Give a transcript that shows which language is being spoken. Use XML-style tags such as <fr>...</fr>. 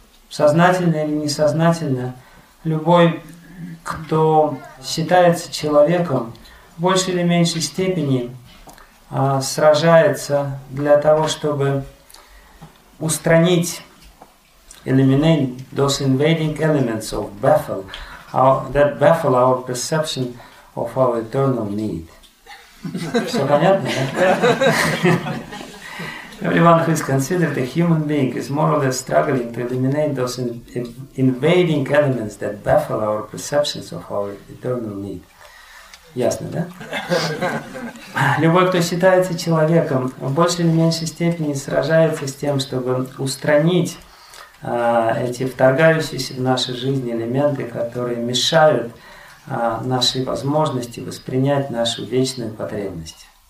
<ru>Сознательно или несознательно, любой, кто считается человеком, в большей или меньшей степени сражается для того, чтобы устранить</ru> <en>eliminate those invading elements of baffle, that baffle our perception of our eternal need.</en> <ru>Все понятно, да?</ru> <en>Everyone who is considered a human being is more or less struggling to eliminate those invading elements that baffle our perceptions of our eternal need.</en> <ru>Ясно, да? Любой, кто считается человеком, в большей или меньшей степени сражается с тем, чтобы устранить эти вторгающиеся в наши жизни элементы, которые мешают нашей возможности воспринять нашу вечную потребность.</ru>